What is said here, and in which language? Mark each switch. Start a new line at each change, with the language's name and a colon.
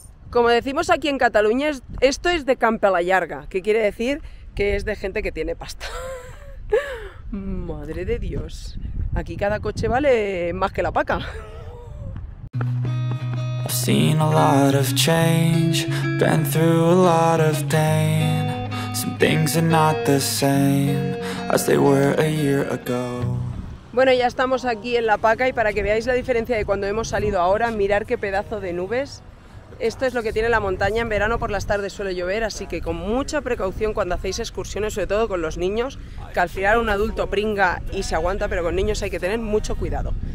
Spanish: Como decimos aquí en Cataluña, esto es
Catalan: de camp a la llarga,
Spanish: que quiere decir que es de gente que tiene pasta. Madre de Dios. Aquí cada coche vale más que la paca.
English: I've seen a lot of change, been through a lot of pain. Some things are not the same as they were a year ago.
Spanish: Bueno, ya estamos aquí en la paca y para que veáis la diferencia de cuando hemos salido ahora, mirad qué pedazo de nubes. Esto es lo que tiene la montaña. En verano por las tardes suele llover, así que con mucha precaución cuando hacéis excursiones, sobre todo con los niños, que al final un adulto pringa y se aguanta, pero con niños hay que tener mucho cuidado.